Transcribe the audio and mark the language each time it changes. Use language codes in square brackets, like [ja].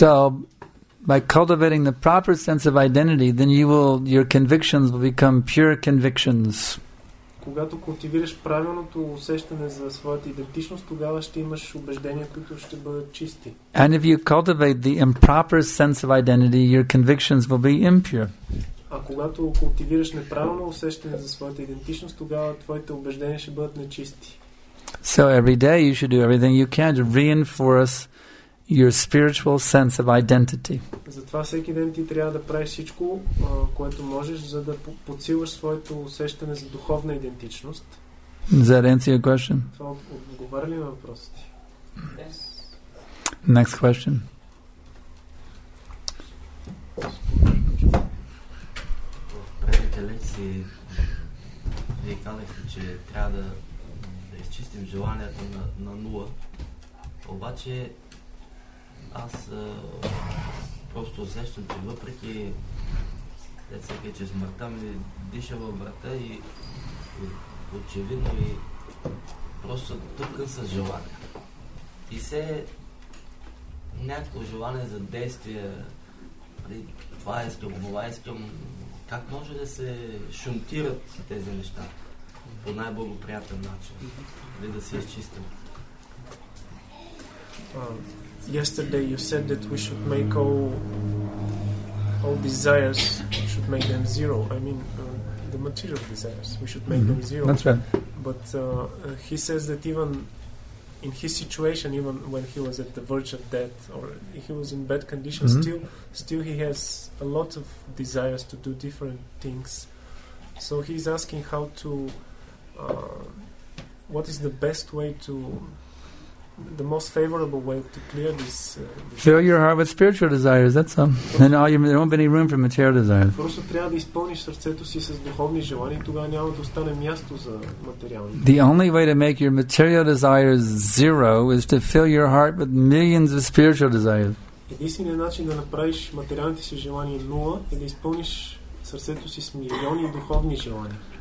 [en] So, by cultivating the proper sense of identity, then you will, your convictions will become pure convictions. Когато култивираш правилното усещане за своята идентичност, тогава ще имаш убеждения, които ще бъдат чисти. And if you cultivate the improper sense of identity, your convictions will be impure. А когато култивираш неправилно усещане за своята идентичност, тогава твоите убеждения ще бъдат нечисти. So every day you should do everything you can to reinforce your spiritual sense of identity. Затова всеки ден ти трябва да правиш всичко, което можеш, за да подсилваш своето усещане за духовна идентичност. Does that answer your question? Това отговаря ли на въпроса ти? Yes. Next question. [bg] Предните лекции ви казахте, че трябва да изчистим желанията на нула. Обаче аз просто усещам, че въпреки след всеки, че смъртта ми диша във врата и очевидно и просто тъпкан с желание. И се някакво желание за действие, това е скъм, как може да се шунтират тези неща по най-благоприятен начин, или да се изчистим? [en] Yesterday you said that we should make all desires, should make them zero. I mean, the material desires, we should make them zero. That's right. But he says that even in his situation, even when he was at the verge of death, or he was in bad condition, still he has a lot of desires to do different things. So he's asking how to, what is the best way to, the most favorable way to clear this. Fill your heart with spiritual desires, that's all. And all there won't be any room for material desires. [bg] Просто трябва да изпълниш сърцето си с духовни желания, тогава няма да остане място за материални. [en] The only way to make your material desires zero is to fill your heart with millions of spiritual desires. [bg] Единственият начин да направиш материалните си желания нула е да изпълниш сърцето си с милиони духовни желания.